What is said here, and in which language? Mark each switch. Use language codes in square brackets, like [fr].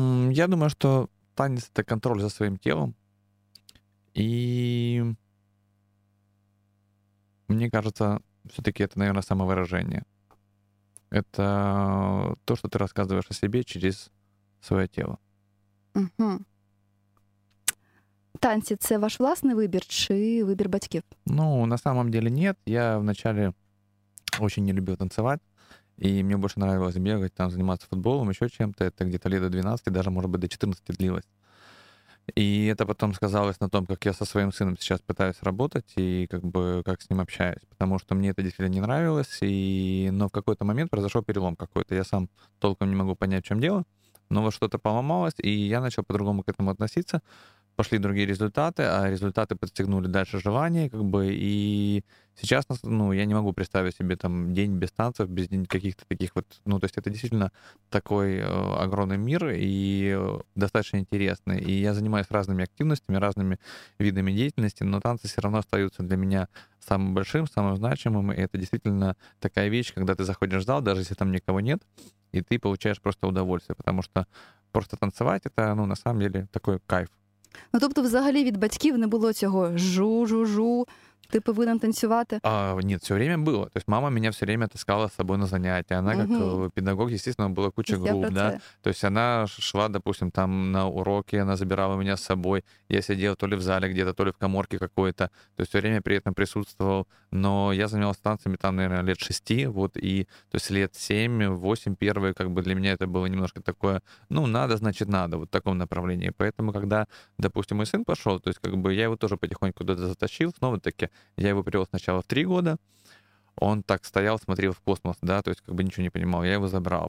[uk] Я думаю, що танець – це контроль за своїм тілом. І мені кажется, все-таки це, мабуть, самовираження. Це те, що ти розказуєш о собі через своє тіло. Угу. Танці – це ваш власний вибір чи вибір батьків? [ru] Ну, на самом деле, ні. Я вначале очень не любил танцевать. И мне больше нравилось бегать, там заниматься футболом, еще чем-то. Это где-то лет до 12, даже, может быть, до 14 длилось. И это потом сказалось на том, как я со своим сыном сейчас пытаюсь работать и как бы как с ним общаюсь. Потому что мне это действительно не нравилось. Но в какой-то момент произошел перелом какой-то. Я сам толком не могу понять, в чем дело. Но вот что-то поломалось, и я начал по-другому к этому относиться. Пошли другие результаты, а результаты подстегнули дальше желание, как бы, и сейчас, ну, я не могу представить себе там день без танцев, без каких-то таких вот, ну, то есть это действительно такой огромный мир и достаточно интересный, и я занимаюсь разными активностями, разными видами деятельности, но танцы все равно остаются для меня самым большим, самым значимым, и это действительно такая вещь, когда ты заходишь в зал, даже если там никого нет, и ты получаешь просто удовольствие, потому что просто танцевать — это, ну, на самом деле такой кайф. [uk] Ну, тобто, взагалі від батьків не було цього жу-жу-жу, ти повинен танцювати? Ні, все время було. Тобто, мама мене [ru] все время [uk] таскала з собою на заняття. Вона, як педагог, звісно, була куча груп. Да? Тобто, вона йшла, допустим, там на уроки, вона забирала мене з собою. Я сидів [ru] то ли [uk] в залі [ru] где-то, [uk] то ли в коморці [ru] какой-то. Тобто, все время при этом присутствовал. Но я займався танцями там, наверное, лет 6. Вот, и, то есть, лет 7-8 первые, как бы, для меня это было немножко такое, ну, надо, значит, надо, вот в таком направлении. Поэтому, когда, допустим, мой сын пошел, то есть, как бы, я его тоже потихоньку туда затащил, снова-таки я его привел сначала в 3 года, он так стоял, смотрел в космос, да, то есть как бы ничего не понимал, я его забрал.